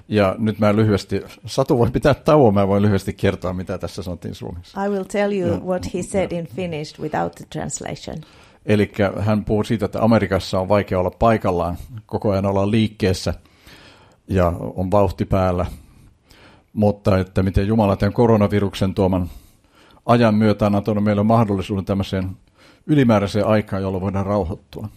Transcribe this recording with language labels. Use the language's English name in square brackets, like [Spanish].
[Finnish] Ja nyt mä lyhyesti, Satu voi pitää tauon, mä voin lyhyesti kertoa, mitä tässä sanottiin suomeksi. [English] I will tell you what he said in Finnish without the translation. [Finnish] Eli hän puhuu siitä, että Amerikassa on vaikea olla paikallaan, koko ajan olla liikkeessä ja on vauhti päällä. Mutta että miten Jumala tämän koronaviruksen tuoman ajan myötä on antanut meille mahdollisuuden tämmöiseen ylimääräiseen aikaan, jolloin voidaan rauhoittua.